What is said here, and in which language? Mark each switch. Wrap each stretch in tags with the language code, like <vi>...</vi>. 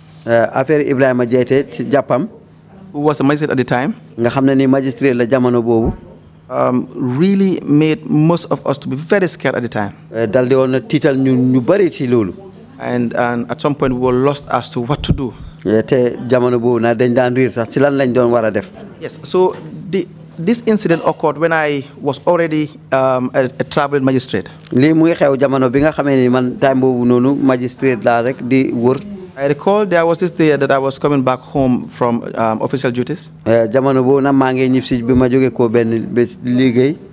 <wo>affaire Ibrahima Jayte ci japam,</wo> <en>who was a magistrate at the time,</en> <wo>nga xamna ni magistrate la jamono bobu,</wo> <en>really made most of us to be very scared at the time.</en> <wo>Daldi won tital ñu bari ci lolu,</wo> <en>and at some point we were lost as to what to do.</en> <wo>Te jamono bobu na dañ dan rir sax ci lan lañ doon wara def.</wo> <en>Yes, so this incident occurred when I was already a traveling magistrate.</en> <wo>Li muy xew jamono bi nga xamé ni man time bobu nonu magistrate la rek di wër.</wo> <en>I recall there was this day that I was coming back home from official duties.</en> <wo>Jamono bobu na ma ngi ñif ci bima joggé ko ben ligéy.</wo>